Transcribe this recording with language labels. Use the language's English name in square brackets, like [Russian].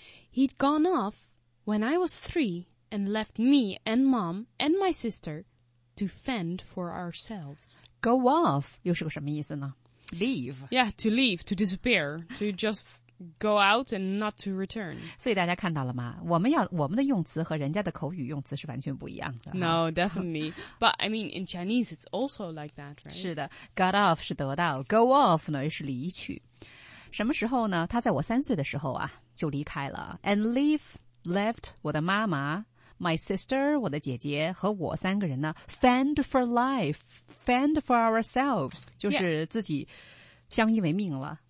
[English] He'd gone off when I was 3 and left me and mom and my sister... To fend for ourselves. Go off [Chinese] 又是个什么意思呢 [English] Leave. Yeah, to leave, to disappear, to just go out and not to return. [Chinese] 所以大家看到了吗我们的用词和人家的口语用词是完全不一样的。 [English] No, definitely. But I mean, in Chinese, it's also like that, right? [Chinese] 是的 [English] got off [Chinese] 是得到 [English] go off [Chinese] 呢是离去。什么时候呢他在我三岁的时候啊就离开了 [English] and left [Chinese] 我的妈妈 [English] My sister, [Chinese] 我的姐姐和我三个人呢 , [English] fend for life, fend for ourselves, [Chinese] 就是自己相依为命了。